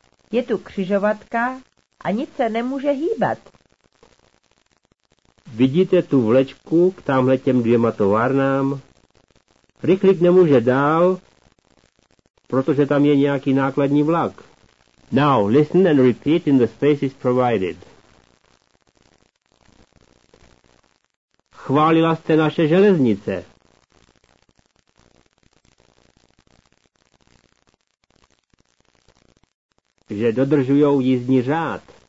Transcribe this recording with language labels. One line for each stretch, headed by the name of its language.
Czech: Je tu křižovatka a nic se nemůže hýbat. Vidíte tu vlečku k tamhle těm dvěma továrnám? Rychlík nemůže dál, protože tam je nějaký nákladní vlak.
English: Now listen and repeat in the spaces provided.
Czech: Chválila jste naše železnice. Že dodržujou jízdní řád.